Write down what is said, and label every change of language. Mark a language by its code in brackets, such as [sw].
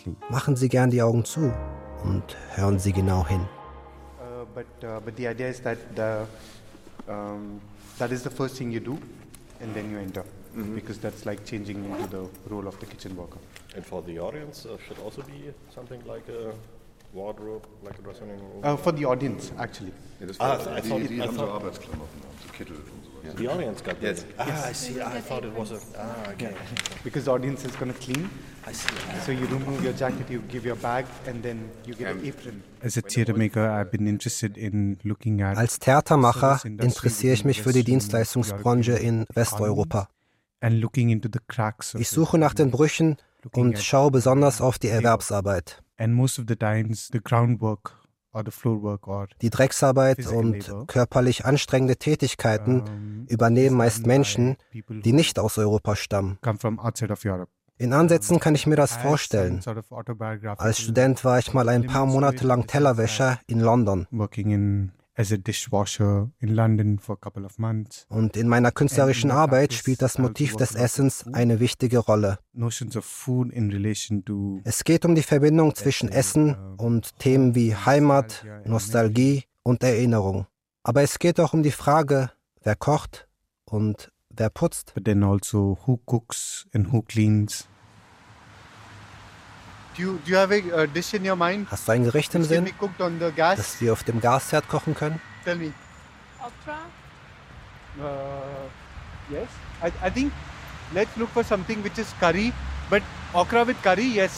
[de] Machen Sie gern die Augen zu und hören Sie genau hin. [en] But the idea is that that is the first thing you do and then you enter. Mm-hmm. Because that's like changing into the role of the kitchen worker. And for the audience, should also be something like a wardrobe, like a dressing room? For the audience, actually. The audience got yes. that. Yes. Ah, I see. I thought it was a... Because the audience is going to clean. I see. So you remove your jacket, you give your bag, and then you get an apron. As a theater maker, I've been interested in looking at... [de] Als Theatermacher interessiere ich mich für die Dienstleistungsbranche in Westeuropa. [en] And looking into the cracks of [de] ich suche nach den Brüchen und schaue besonders auf die Erwerbsarbeit. [en] And most of the times the groundwork or the floorwork or [de] die Drecksarbeit und körperlich anstrengende Tätigkeiten übernehmen meist Menschen, die nicht aus Europa stammen. [en] Come from outside of Europe. [de] In Ansätzen kann ich mir das vorstellen. Als Student war ich mal ein paar Monate lang Tellerwäscher in London. [en] Working in as a dishwasher in London for a couple of months. [de] Und in meiner künstlerischen Arbeit spielt das Motiv des Essens eine wichtige Rolle. [en] Notions of food in relation to [de] es geht um die Verbindung zwischen Essen und Themen wie Heimat, Nostalgie und Erinnerung. Aber es geht auch um die Frage, wer kocht und wer putzt. [en] But then also who cooks and who cleans. Do you have a dish in your mind? [de] Hast du ein Gericht im Sinn, das wir auf dem Gasherd kochen können? [en] Tell me. Okra? Yes. I think let's look for something which is curry, but okra with curry, yes.